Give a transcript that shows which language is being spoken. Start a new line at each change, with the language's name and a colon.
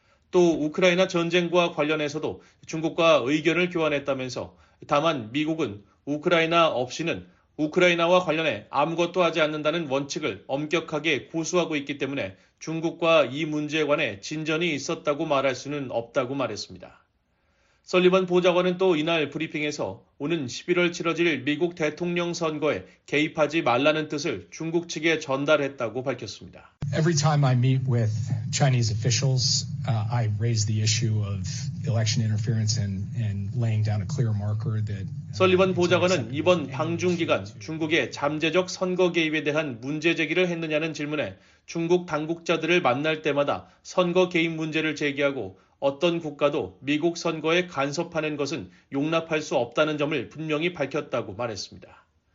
Korean: 또 우크라이나 전쟁과 관련해서도 중국과 의견을 교환했다면서 다만 미국은 우크라이나 없이는 우크라이나와 관련해 아무것도 하지 않는다는 원칙을 엄격하게 고수하고 있기 때문에 중국과 이 문제에 관해 진전이 있었다고 말할 수는 없다고 말했습니다. 설리번 보좌관은 또 이날 브리핑에서 오는 11월 치러질 미국 대통령 선거에 개입하지 말라는 뜻을 중국 측에 전달했다고 밝혔습니다.
English: Every time I meet with Chinese officials, I raise the issue of election interference and laying down a clear marker that
Korean: 설리번 보좌관은 이번 방중 기간 중국의 잠재적 선거 개입에 대한 문제 제기를 했느냐는 질문에 중국 당국자들을 만날 때마다 선거 개입 문제를 제기하고 어떤 국가도 미국 선거에 간섭하는 것은 용납할 수 없다는 점을 분명히 밝혔다고 말했습니다.